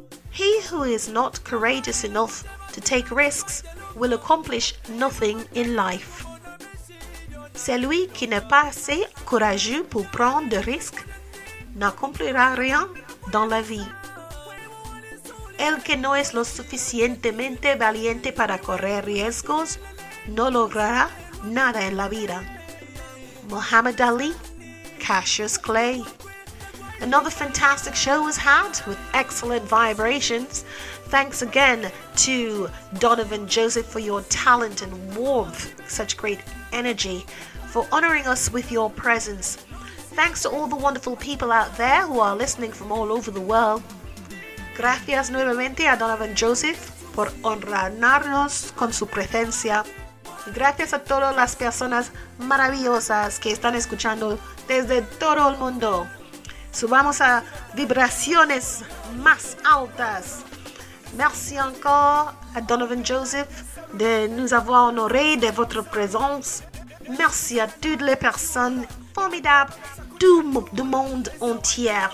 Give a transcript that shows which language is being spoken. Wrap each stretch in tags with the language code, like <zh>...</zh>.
<en>He who is not courageous enough to take risks will accomplish nothing in life.</en> <fr>Celui qui n'est pas assez courageux pour prendre de risques n'accomplira rien dans la vie.</fr> <es>El que no es lo suficientemente valiente para correr riesgos no logrará nada en la vida. Muhammad Ali, Cassius Clay.</es> <en>Another fantastic show was had with excellent vibrations. Thanks again to Donovan Joseph for your talent and warmth, such great energy, for honoring us with your presence. Thanks to all the wonderful people out there who are listening from all over the world.</en> <es>Gracias nuevamente a Donovan Joseph por honrarnos con su presencia. Gracias a todas las personas maravillosas que están escuchando desde todo el mundo. Subamos a vibraciones más altas.</es> <fr>Merci encore a Donovan Joseph de nous avoir honoré de votre présence. Merci à toutes les personnes formidables du monde entier.</fr>